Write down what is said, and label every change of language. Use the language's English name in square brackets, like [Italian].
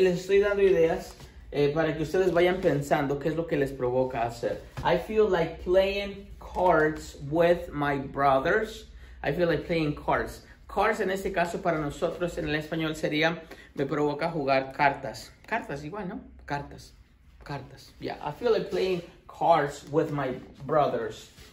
[Spanish] Les estoy dando ideas para que ustedes vayan pensando qué es lo que les provoca hacer. [English] I feel like playing cards with my brothers. I feel like playing cards. [Spanish] Cards en este caso para nosotros en el español sería me provoca jugar cartas. Cartas igual, ¿no? Cartas. Cartas. [English] Yeah, I feel like playing cards with my brothers.